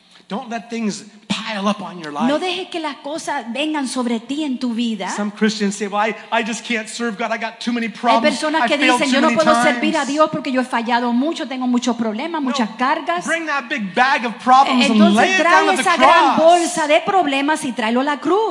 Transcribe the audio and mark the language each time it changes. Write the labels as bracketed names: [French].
[English] Don't let things pile up on your life. [Spanish] No dejes que las cosas vengan sobre ti en tu vida. [English] Some Christians say, "Well, I just can't serve God. I got too many problems. [Spanish] Hay personas que dicen, yo no puedo servir a Dios porque yo he fallado mucho, tengo muchos problemas, muchas cargas. [English] Bring that big bag of problems and lay it down at the cross. [Spanish] Entonces trae esa gran bolsa de problemas y tráelo a la cruz.